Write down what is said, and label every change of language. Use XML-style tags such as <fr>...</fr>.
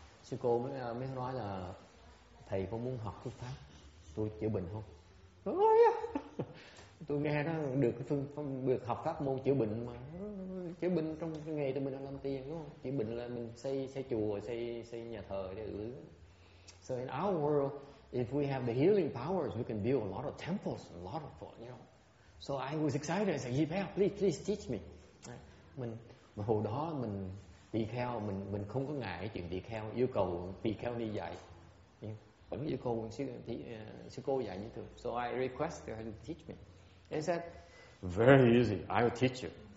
<vi>Sư cô mới nói là thầy có muốn học phương pháp tôi chữa bệnh không? Tôi nghe đó được được học pháp môn chữa bệnh mà chữa bệnh trong cái nghề tụi mình đang làm tiền đúng không? Chữa bệnh là mình xây chùa, xây nhà thờ để ở.</vi> <en>So in our world, if we have the healing powers, we can build a lot of temples, a lot of, you know, So I was excited. I said, "Yipel, please teach me."</en> <vi>Mình mà hồi đó mình đi theo, mình không có ngại chuyện đi theo, yêu cầu đi theo đi dạy, vẫn yêu cầu sư cô dạy như thường.</vi> <en>So I requested her to teach me. He said, "Very easy. I will teach you."</en>